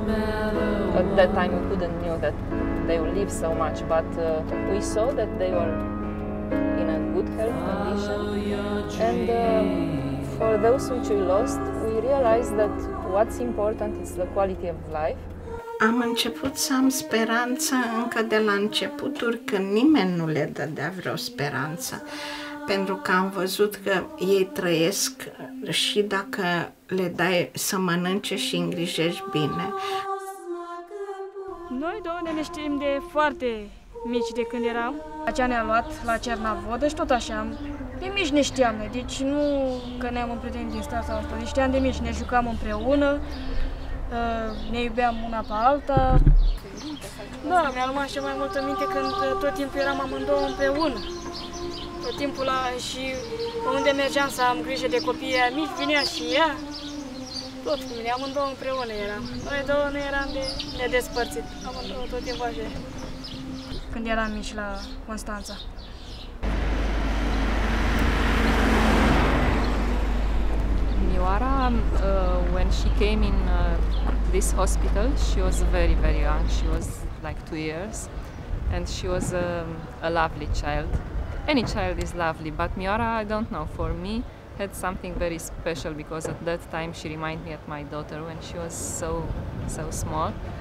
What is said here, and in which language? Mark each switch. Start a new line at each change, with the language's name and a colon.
English: At that time we couldn't know that they would live so much, but we saw that they were in a good health condition. And for those which we lost, we realized that what's important is the quality of life.
Romanian: Am început să am speranță încă de la începuturi, când nimeni nu le dădea vreo speranță, pentru că am văzut că ei trăiesc și dacă le dai să mănânce și îngrijești bine. Noi doamne ne știm de foarte mici, de când eram. Acea ne-a luat la Cernavodă și tot așa. De mici ne știam, deci nu că ne-am împrietenit din stat sau asta, ne știam de mici, ne jucam împreună, ne iubeam una pe alta. Da, mi-a luat așa mai multă minte când tot timpul eram amândouă împreună. Tot timpul la și unde mergeam să am grijă de copiii aia mici, vinea și ea. Tot cu mine, amândouă împreună eram. Noi două nu eram de nedespărțit, amândouă tot timpul așa. Când eram mici la Constanța.
English: Miora, when she came in this hospital, she was very, very young. She was like 2 years, and she was a lovely child. Any child is lovely, but Miora, I don't know, for me, had something very special, because at that time she reminded me of my daughter when she was so, so small.